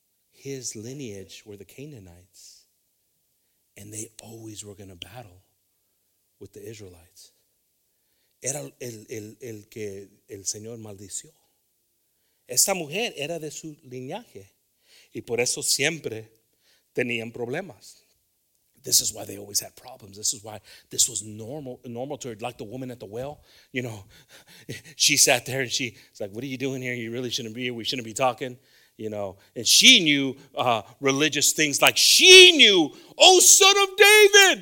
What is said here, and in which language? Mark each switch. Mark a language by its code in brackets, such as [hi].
[en] His lineage were the Canaanites, and they always were going to battle with the Israelites. [es] Era el que el Señor maldició. Esta mujer era de su linaje, y por eso siempre tenían problemas. [en] This is why they always had problems. This is why this was normal to her, like the woman at the well. You know, she sat there and she's like, what are you doing here? You really shouldn't be here. We shouldn't be talking. You know, and she knew religious things, like she knew, oh, son of David.